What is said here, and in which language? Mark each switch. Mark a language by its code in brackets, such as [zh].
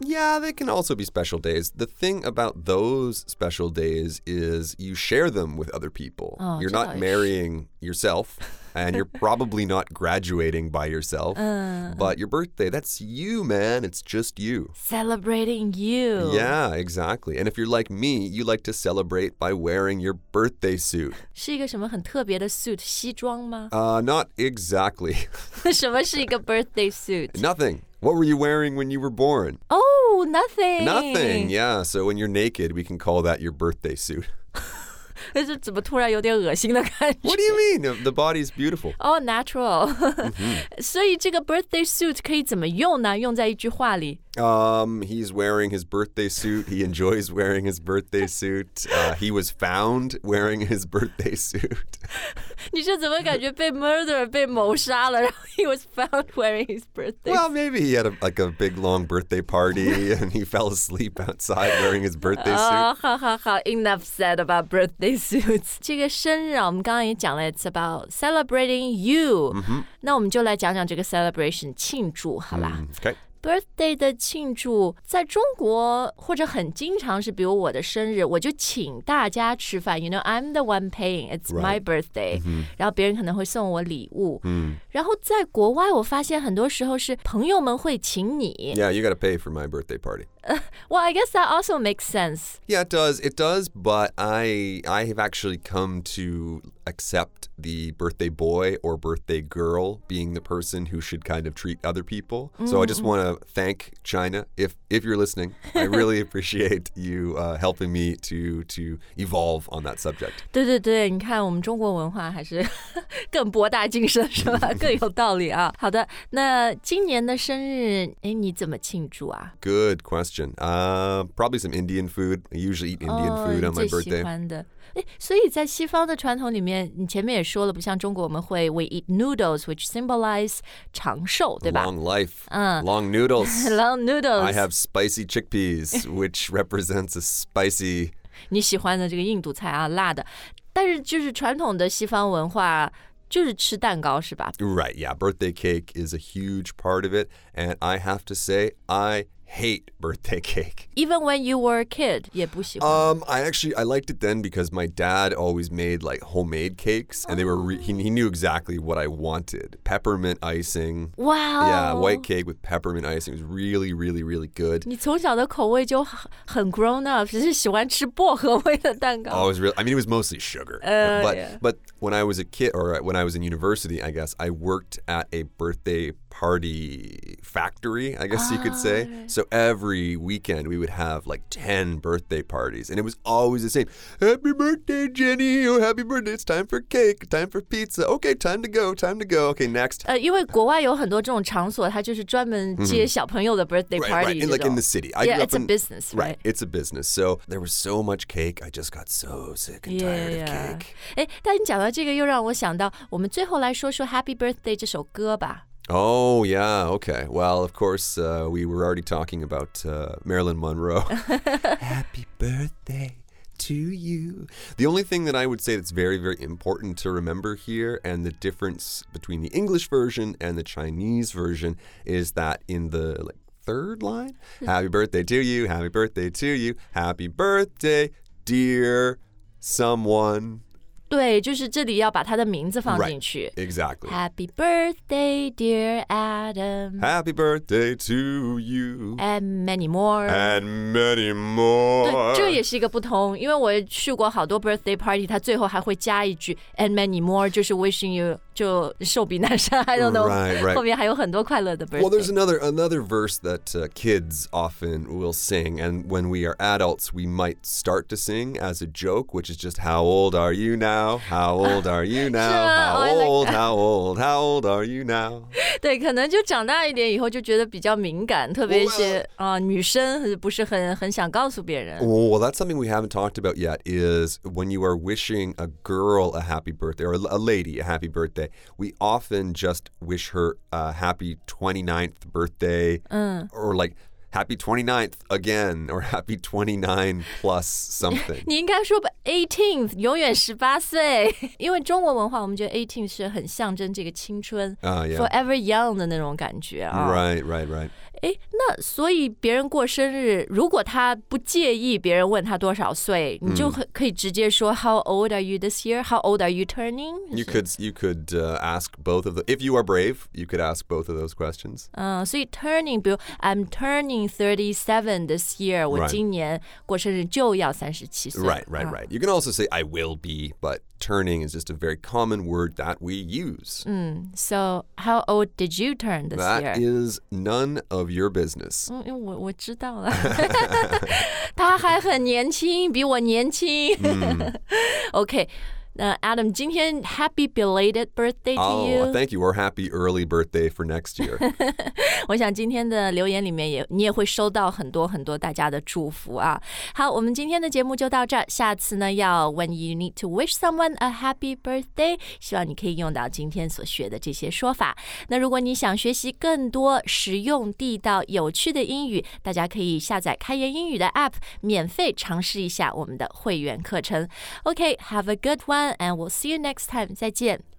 [en] Yeah, they can also be special days. The thing about those special days is you share them with other people. You're not marrying yourself, and you're probably not graduating by yourself. But your birthday, that's you, man. It's just you. Celebrating you. Yeah, exactly. And if you're like me, you like to celebrate by wearing your birthday suit. [zh] 是一个什么很特别的 suit 西装吗 [en] not exactly [zh] 什么是一个 [en] birthday suit nothing what were you wearing when you were born oh nothing nothing yeah so when you're naked we can call that your birthday suit [zh] 这怎么突然有点恶心的感觉 [en] what do you mean the body is beautiful oh natural [zh] 所以这个 [en] birthday suit [zh] 可以怎么用呢用在一句话里 [en] He's wearing his birthday suit. He enjoys wearing his birthday suit. He was found wearing his birthday suit. [zh] 你是怎么感觉被 murder 被谋杀了？然后 [en] he was found wearing his birthday. Well, maybe he had a big long birthday party and he fell asleep outside wearing his birthday suit. [zh] 好 [en] enough said about birthday suits. [zh] 这个生日啊，我们刚刚也讲了 ， [en] it's about celebrating you. [zh] 那我们就来讲讲这个 celebration 庆祝，好吧？ [en] Okay. [zh] birthday 的庆祝在中国或者很经常是比如我的生日我就请大家吃饭 [en] You know, I'm the one paying, it's my birthday、 right. mm-hmm. [zh] 然后别人可能会送我礼物、 mm. 然后在国外我发现很多时候是朋友们会请你 [en] Yeah, you gotta pay for my birthday party、 Well, I guess that also makes sense Yeah, it does, but I have actually come to accept the birthday boy or birthday girl being the person who should kind of treat other people、mm-hmm. So I just want to thank China if you're listening I really appreciate you、helping me to evolve on that subject [zh] 对对对你看我们中国文化还是更博大精深是吧更有道理啊好的那今年的生日你怎么庆祝啊 [en] Good question、probably some Indian food I usually eat Indian food on my birthday [zh] 最喜欢的所以在西方的传统里面你前面也说了不像中国我们会 [en] We eat noodles which symbolize [zh] 长寿对吧 [en] Long life、Long noodles Long noodles I have spicy chickpeas which represents a spicy [zh] 你喜欢的这个印度菜啊辣的但是就是传统的西方文化就是吃蛋糕是吧 [en] Right yeah birthday cake is a huge part of it and I have to say I hate birthday cake even when you were a kid [zh] 也不喜欢 [en] I liked it then because my dad always made like homemade cakes and they were he knew exactly what I wanted peppermint icing wow yeah white cake with peppermint icing was really really really good [zh] 你从小的口味就很 [en] grown up [zh] 只是喜欢吃薄荷味的蛋糕 [en] oh, it was really, I mean it was mostly sugar but when I was a kid or when I was in university I guess I worked at a birthday party factory I guess you could say So every weekend we would have like 10 birthday parties and it was always the same. Happy birthday, Jenny. Oh, happy birthday. It's time for cake. Time for pizza. Okay, time to go. Okay, next. [zh] 因为国外有很多这种场所它就是专门接小朋友的 [en] birthday party. Right, right. In the city. It's a business, right? Right, it's a business. So there was so much cake. I just got so sick and tired of cake. [zh] 但你讲到这个又让我想到我们最后来说说 Happy Birthday 这首歌吧。 [en] Oh, yeah, okay. Well, of course, we were already talking about Marilyn Monroe. Happy birthday to you. The only thing that I would say that's very, very important to remember here and the difference between the English version and the Chinese version is that in the like, third line, happy birthday to you, happy birthday to you, happy birthday, dear someone. [zh] 对，就是这里要把他的名字放进去。 [en] Right, exactly. Happy birthday, dear Adam. Happy birthday to you. And many more. And many more. [zh] 对，这也是一个不同，因为我去过好多 [en] birthday party， [zh] 他最后还会加一句 [en] "and many more"， [zh] 就是 [en] wishing you [zh] 就寿比南山。 [en] I don't know. Right, right. [zh] 后面还有很多快乐的 [en] birthday. Well, there's another verse that、kids often will sing, and when we are adults, we might start to sing as a joke, which is just "How old are you now?" How old are you now? How old are you now? [zh] 对，可能就长大一点以后就觉得比较敏感，特别是女生不是很想告诉别人。 [en] Well, that's something we haven't talked about yet. Is when you are wishing a girl a happy birthday or a lady a happy birthday, we often just wish her a happy 29th birthday, or like. Happy 29th again, or happy 29 plus something. [zh] 你应该说 18th, 永远18岁。因为中国文化我们觉得 18th 是很象征这个青春、 [en] yeah. forever young [zh] 的那种感觉、 [en] Right, right, right. [zh] 那所以别人过生日如果他不介意别人问他多少岁你就可以直接说 [en] How old are you this year? How old are you turning? You could ask both of those. If you are brave, you could ask both of those questions. [zh] 所以 [en] turning, [zh] 比如 [en] I'm turning 37 this year. [zh] 我今年过生日就要37岁。 [en] Right. You can also say I will be, but turning is just a very common word that we use. So how old did you turn this that year? That is none of your business. [zh] 我知道了。他还很年轻，比我年轻。 [en] Okay, Adam, [zh] 今天 [en] happy belated birthday to you. Oh, thank you. Or happy early birthday for next year. [zh] 我想今天的留言里面你也会收到很多很多大家的祝福啊。好，我们今天的节目就到这儿。下次呢，要 [en] when you need to wish someone a happy birthday， [zh] 希望你可以用到今天所学的这些说法。那如果你想学习更多实用、地道、有趣的英语，大家可以下载开言英语的 app， 免费尝试一下我们的会员课程。 [en] Okay, have a good one, and we'll see you next time. [zh] 再见。